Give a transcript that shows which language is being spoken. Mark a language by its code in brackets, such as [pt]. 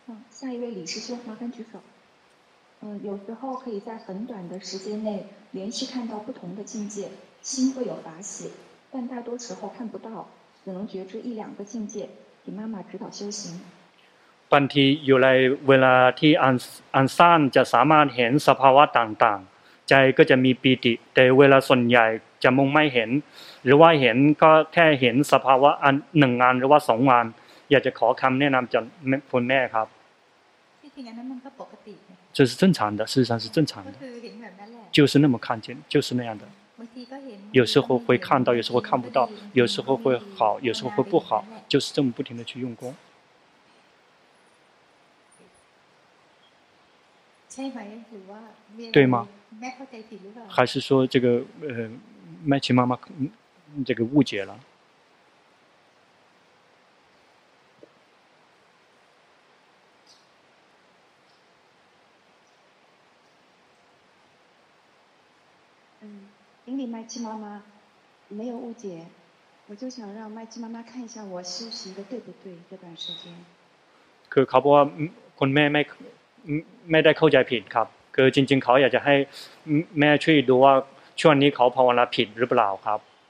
[zh] 下一位李师兄，麻烦举手。有时候可以在很短的时间内连续看到不同的境界，心会有法喜，但大多时候看不到，只能觉知一两个境界，请妈妈指导修行。 [th] บางทีอยู่ในเวลาที่อันสั้นจะสามารถเห็นสภาวะต่างๆใจก็จะมีปีติแต่เวลาส่วนใหญ่จะมองไม่เห็นหรือว่าเห็นก็แค่เห็นสภาวะอันหนึ่งงานหรือว่าสองงานอยากจะขอคำแนะนำจากคุณแม่ครับ ที่จริงนั้นมันก็ปกติ [zh] 这是正常的事实上是正常的就是那么看见就是那样的有时候会看到有时候看不到有时候会好有时候会不好就是这么不停的去用功对吗还是说这个麦琪妈妈这个误解了因为麦琪妈妈没有误解我就想让麦琪妈妈看一下我修行的对不对这段时间可是考不好 [th] คุณแม่ไม่ได้เข้าใจผิดครับคือจริงๆเขาอยากจะให้แม่ช่วยดูว่าช่วงนี้เขาภาวนาผิดหรือเปล่าครับ